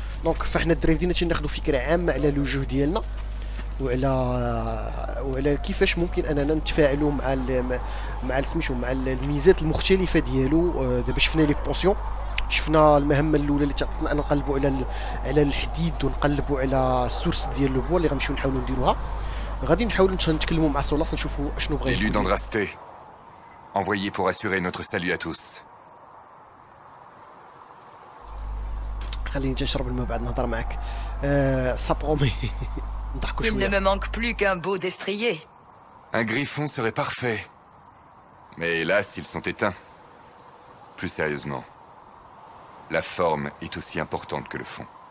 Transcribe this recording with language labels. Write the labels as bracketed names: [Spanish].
[Arabic] دونك فحنا الدراري بدينا تناخذوا فكره عامه على لو جو ديالنا وعلى كيفاش ممكن اننا نتفاعلوا مع سميتو مع الميزات المختلفه ديالو. دابا شفنا لي بوسيون، شفنا المهمه الاولى اللي تعطينا ان نقلبوا على الحديد ونقلبوا على السورس ديال لو بوا اللي غنمشيو نحاولوا نديروها. غادي نحاولوا نتكلموا مع سولاس نشوفوا شنو بغا يقول. [French] Envoyé pour assurer notre salut à tous. [Arabic] خليني نشرب الماء بعد نهضر معك. سابرومي نضحكوا شويه. [French] Il ne me manque plus qu'un beau destrier. Un griffon serait parfait. Mais hélas, ils sont éteints. Plus sérieusement, la forme est aussi importante que le fond.